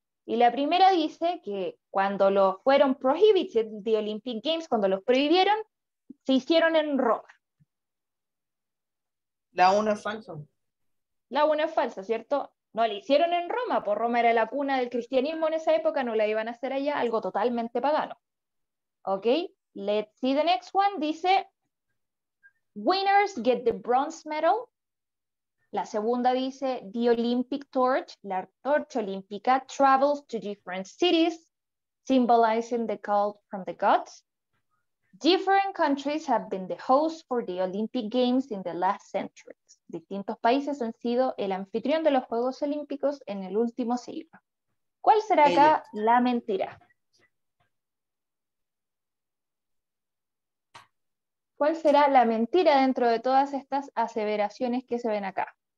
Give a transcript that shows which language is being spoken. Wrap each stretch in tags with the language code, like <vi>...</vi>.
<es>Y la primera dice que cuando los fueron</es> <en>prohibited, the Olympic Games,</en> <es>cuando los prohibieron, se hicieron en Roma. La una es falsa. La una es falsa, ¿cierto? No la hicieron en Roma, por Roma era la cuna del cristianismo en esa época, no la iban a hacer allá, algo totalmente pagano.</es> <en>Ok, let's see the next one, dice, winners get the bronze medal.</en> <es>La segunda dice,</es> <en>the Olympic torch,</en> <es>la torcha olímpica,</es> <en>travels to different cities, symbolizing the call from the gods. Different countries have been the host for the Olympic Games in the last century.</en> <es>Distintos países han sido el anfitrión de los Juegos Olímpicos en el último siglo. ¿Cuál será acá la mentira? ¿Cuál será la mentira dentro de todas estas aseveraciones que se ven acá?</es>